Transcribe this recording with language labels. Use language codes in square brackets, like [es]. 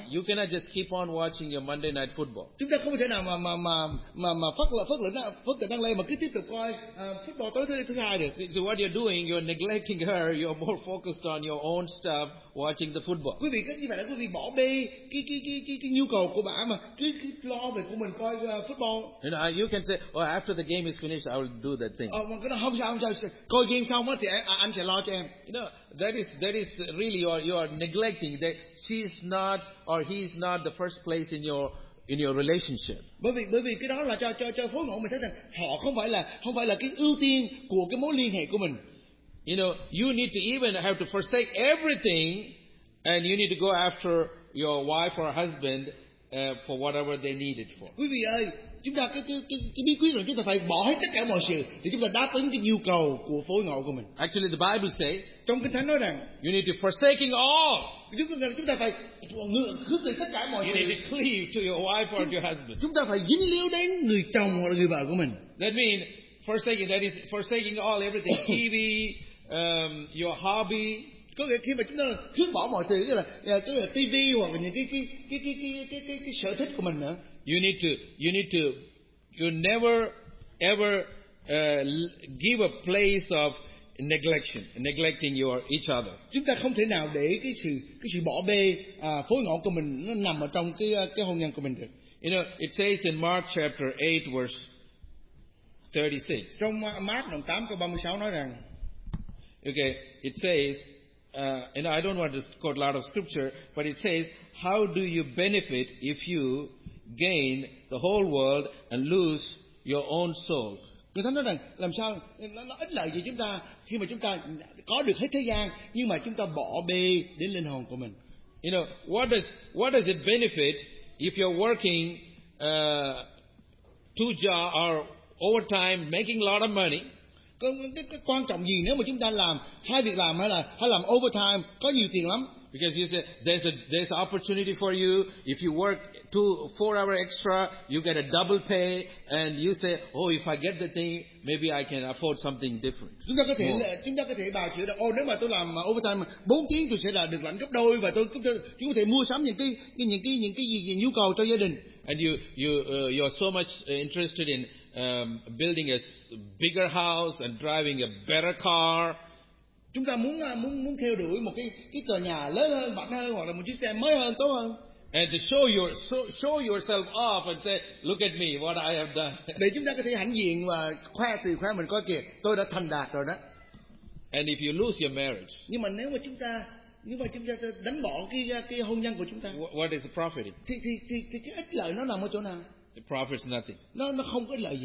[en] You cannot just keep on watching your Monday night football. [vi] Chúng ta không thể nào mà phớt lờ mà cứ tiếp tục coi football tối thứ hai được. [en] So what you're doing, you're neglecting her. You're more focused on your own stuff, watching the football. [vi] Quý vị cứ như vậy là quý vị bỏ bê cái nhu cầu của bà mà cứ lo về của mình coi football. [en] You know, you can say, oh, after the game is finished, I will do that thing. [vi] Oh, cái đó không sao. Coi game xong á thì anh sẽ lo cho em. [en] You know, that is really you are neglecting that she is not or he is not the first place in your relationship. [vi] Bởi vì cái đó là cho phối ngẫu mình thấy rằng họ không phải là cái ưu tiên của cái mối liên hệ của mình. [en] You know, you need to even have to forsake everything and you need to go after your wife or husband for whatever they need it for. [vi] Quý vị ơi, chúng ta cái bí quyết là chúng ta phải bỏ hết tất cả mọi sự để chúng ta đáp ứng cái nhu cầu của phối ngẫu của mình. [en] Actually, the Bible says, [vi] trong Kinh Thánh nói rằng, [en] you need to forsaking all. [vi] Chúng ta phải khước từ tất cả mọi sự. [en] You need to cleave to your wife or your husband. [vi] Chúng ta phải dính líu đến người chồng hoặc là người vợ của mình. [en] That means forsaking. That is forsaking all, everything, TV, your hobby. [vi] Có nghĩa khi mà chúng ta khước bỏ mọi thứ, tức là TV hoặc là những cái sở thích của mình nữa. [en] You never ever give a place of neglecting each other. [vi] Chúng ta không thể nào để cái sự bỏ bê phối ngẫu của mình nó nằm ở trong cái hôn nhân của mình được. [en] You know, it says in Mark chapter 8 verse 36. [vi] Trong Mark đoạn 8 câu 36 nói rằng, [en] okay, it says, and I don't want to quote a lot of scripture, but it says, how do you benefit if you gain the whole world and lose your own soul? [vi] Người ta nói rằng làm sao nó ích lợi gì chúng ta khi mà chúng ta có được hết thế gian nhưng mà chúng ta bỏ bê đến linh hồn của mình. [en] You know, what does it benefit if you're working two jobs or overtime making a lot of money? [vi] Cái quan trọng gì nếu mà chúng ta làm hai việc làm hay làm overtime có nhiều tiền lắm? [en] Because you say there's an opportunity for you. If you work 2-4 hours extra, you get a double pay. And you say, oh, if I get the thing, maybe I can afford something different. [vi] Chúng ta có thể bào chữa được. Oh, nếu mà tôi làm overtime 4 tiếng, tôi sẽ là được lãnh gấp đôi và tôi có thể mua sắm những cái gì nhu cầu cho gia đình. [en] And you're so much interested in building a bigger house and driving a better car. [vi] Chúng ta muốn theo đuổi một cái tòa nhà lớn hơn, mạnh hơn hoặc là một chiếc xe mới hơn, tốt hơn. [en] And to show yourself off and say, look at me, what I have done. [vi] Để chúng ta có thể hãnh diện và khoe mình, coi kìa, tôi đã thành đạt rồi đó. [en] And if you lose your marriage. [vi] Nhưng mà nếu mà chúng ta đánh bỏ cái hôn nhân của chúng ta. [en] What is the profit? [vi] Thì cái ích lợi nó nằm ở chỗ nào? [en] The profit is nothing. [vi] Nó không có lợi gì.